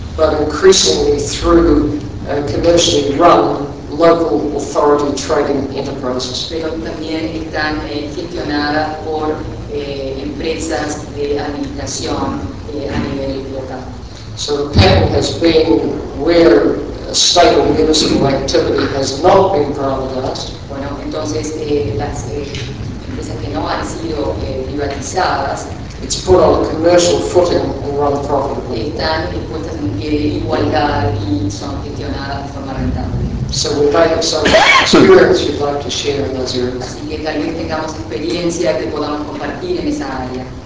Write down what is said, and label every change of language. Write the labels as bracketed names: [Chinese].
[English] But increasingly through commercially run local authority trading enterprises. [Spanish] Pero también están gestionadas por empresas de administración a nivel local. [English] So the pattern has been where state or municipal activity has not been privatized. [Spanish] Bueno, entonces las empresas que no han sido privatizadas, [English] it's put on a commercial footing and run profitably. [Spanish] Están puestas en pie de igualdad y son gestionadas de forma rentable. [English] So we might have some experience you'd like to share in those areas. [Spanish] Así que tal vez tengamos experiencia que podamos compartir en esa área.